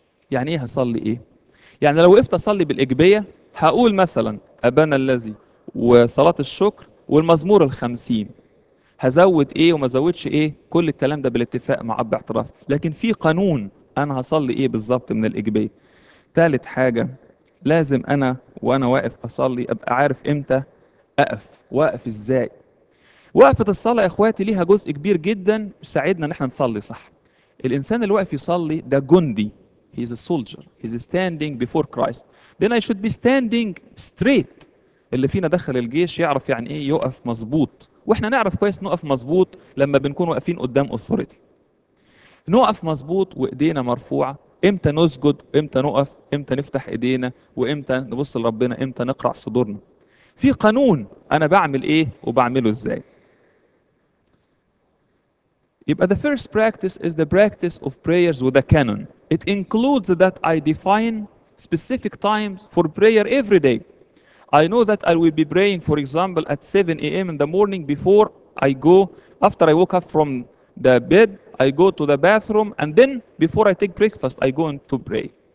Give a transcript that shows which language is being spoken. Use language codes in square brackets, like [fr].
[ar] يعني ايه هصلي ايه؟ يعني لو وقفت اصلي بالاجبية هقول مثلا أبانا الذي وصلاة الشكر والمزمور الخمسين، هزود إيه وما زودش إيه، كل الكلام ده بالاتفاق مع أب اعتراف، لكن في قانون أنا هصلي إيه بالظبط من الإجبية. تالت حاجة لازم أنا وأنا واقف أصلي أبقى عارف إمتى أقف، واقف إزاي. وقفة الصلاة يا إخواتي ليها جزء كبير جدا ساعدنا إن إحنا نصلي صح. الإنسان اللي واقف يصلي ده جندي. [en] He is a soldier. He is standing before Christ. Then I should be standing straight. [ar] اللي فينا دخل الجيش يعرف يعني ايه يقف مظبوط. واحنا نعرف كويس نقف مظبوط لما بنكون واقفين قدام authority. نقف مظبوط وايدينا مرفوعة. امتى نسجد؟ امتى نقف؟ امتى نفتح ايدينا؟ وامتى نبص لربنا؟ امتى نقرع صدورنا؟ في قانون انا بعمل ايه وبعمله ازاي؟ يبقى [en] the first practice is the practice of prayers with a canon. It includes that I define specific times for prayer every day. I know that I will be praying, for example, at 7 a.m. in the morning before I go, after I woke up from the bed, I go to the bathroom, and then before I take breakfast, I go in to pray.